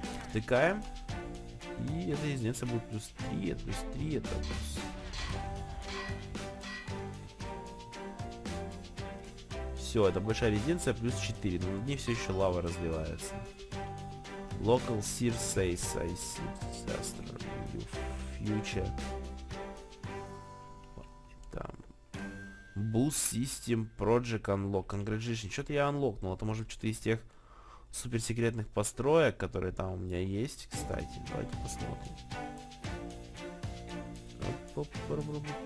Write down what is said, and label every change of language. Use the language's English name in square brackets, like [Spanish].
[Russian] Втыкаем. И эта резиденция будет плюс 3, плюс 3, это плюс... Все, это большая резиденция, плюс 4, но над ней все еще лава разливается. [English] Local Seer Says, I see disaster in your future. Там. Boost System Project Unlock. Congratulations. [Russian] Что-то я unlockнул. Это может что-то из тех суперсекретных построек, которые там у меня есть, кстати. Давайте посмотрим.